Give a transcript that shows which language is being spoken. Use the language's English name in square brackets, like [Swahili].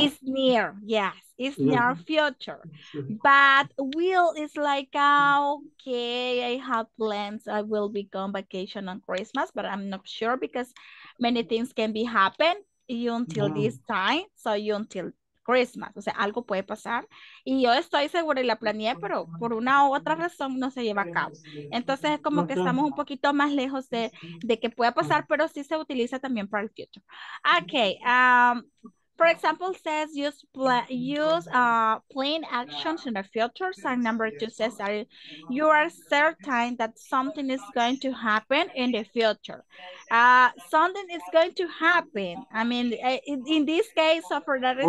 [English] It's near, yes. It's yeah. Near future. But will is like, okay, I have plans. I will be gone vacation on Christmas, but I'm not sure because many things can be happen until this time. So until Christmas. [Spanish] O sea, algo puede pasar. Y yo estoy segura y la planeé, pero por una u otra razón no se lleva a cabo. Entonces es como que estamos un poquito más lejos de que pueda pasar, pero sí se utiliza también para el future. [English] Okay. For example, says use plan actions in the future. Sign number two says that you are certain that something is going to happen in the future. Something is going to happen. I mean, in this case, so for that reason.